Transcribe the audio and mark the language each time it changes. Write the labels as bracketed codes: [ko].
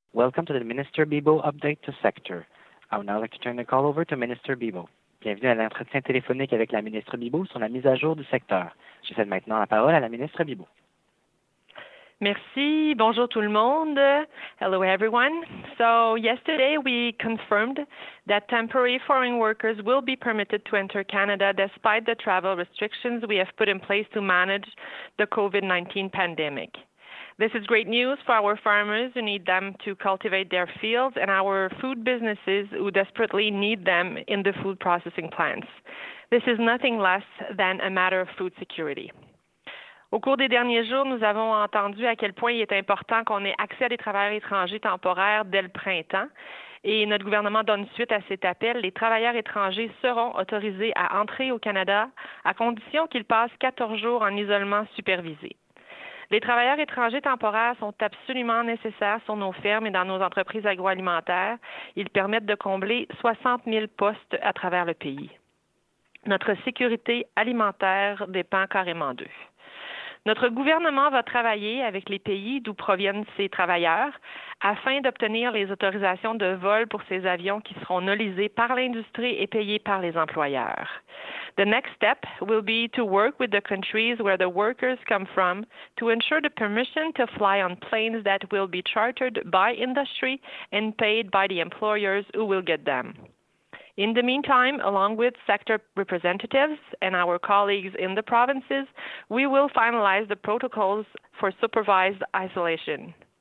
[en] Welcome to the Minister Bibeau update to sector. I would now like to turn the call over to Minister Bibeau. [fr] Bienvenue à l'entretien téléphonique avec la ministre Bibeau sur la mise à jour du secteur. Je cède maintenant la parole à la ministre Bibeau. Merci. Bonjour tout le monde. [en] Hello everyone. So yesterday we confirmed that temporary foreign workers will be permitted to enter Canada despite the travel restrictions we have put in place to manage the COVID-19 pandemic. This is great news for our farmers who need them to cultivate their fields and our food businesses who desperately need them in the food processing plants. This is nothing less than a matter of food security. [fr] Au cours des derniers jours, nous avons entendu à quel point il est important qu'on ait accès à des travailleurs étrangers temporaires dès le printemps. Et notre gouvernement donne suite à cet appel. Les travailleurs étrangers seront autorisés à entrer au Canada à condition qu'ils passent 14 jours en isolement supervisé. Les travailleurs étrangers temporaires sont absolument nécessaires sur nos fermes et dans nos entreprises agroalimentaires. Ils permettent de combler 60 000 postes à travers le pays. Notre sécurité alimentaire dépend carrément d'eux. Notre gouvernement va travailler avec les pays d'où proviennent ces travailleurs afin d'obtenir les autorisations de vol pour ces avions qui seront nolisés par l'industrie et payés par les employeurs. [en] The next step will be to work with the countries where the workers come from to ensure the permission to fly on planes that will be chartered by industry and paid by the employers who will get them. In the meantime, along with sector representatives and our colleagues in the provinces, we will finalize the protocols for supervised isolation.